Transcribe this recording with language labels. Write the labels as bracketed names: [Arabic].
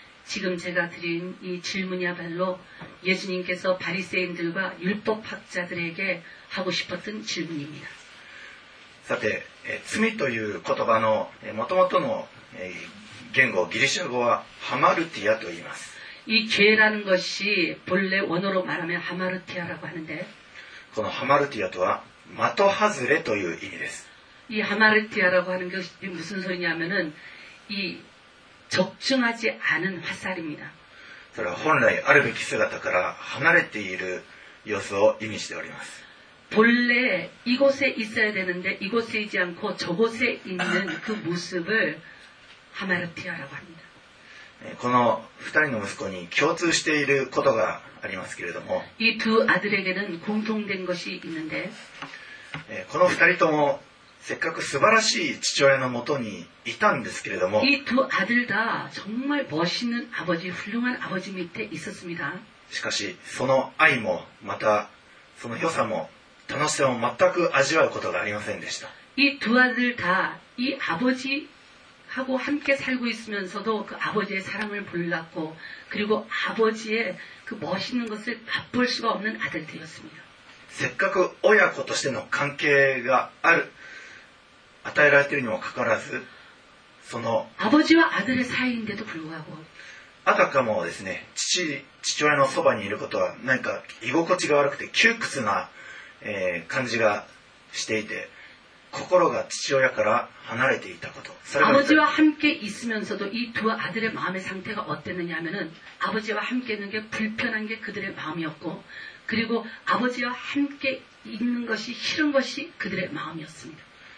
[Korean] 지금제가드린이질문야말로예수님께서바리새인들과율법학자들에게하고싶었던질문입니다 [Japanese] さて罪という言葉のもともとの言語ギリシャ語はハマルティアと言います [Korean] 이죄라는것이본래원어로말하면하마르티아라고하는데 [Japanese] このハマルティアとは的外れという意味です [Korean] 이하마르티아라고하는것이무슨소리냐면은이적중하지않은화살입니다 [Japanese] それは本来あるべき姿から離れている様子を意味しております [Korean] 본래이곳에있어야되는데이곳에있지않고저곳에있는그모습을하마르티아라고합니다 [Japanese] この 2人の息子に共通していることがありますけれども [Korean] 이두아들에게는공통된것이있는데 [Japanese] この2人ともせっかく素晴らしい父親のもとにいたんですけれども、 [Korean] 이두아들다정말멋있는아버지훌륭한아버지밑에있었습니다 [Japanese] しかしその愛もまたその良さも楽しさも全く味わうことがありませんでした [Korean] 이두아들다이아버지하고함께살고있으면서도그아버지의사랑을몰랐고그리고아버지의그멋있는것을맛볼수가없는아들되었습니다 [Japanese] せっかく親子としての関係がある与えられているにもかかわらず、その、 [Korean] 아버지와아들의사이인데도불구하고、 [Japanese] あたかもですね、父親のそばにいることは、なんか居心地が悪くて窮屈な、感じがしていて、心が父親から離れていたこと。 [Korean] 아버지와함께있으면서도、이두아들의마음의상태가어땠느냐하면은、아버지와함께있는게불편한게그들의마음이었고、그리고아버지와함께있는것이싫은것이그들의마음이었습니다。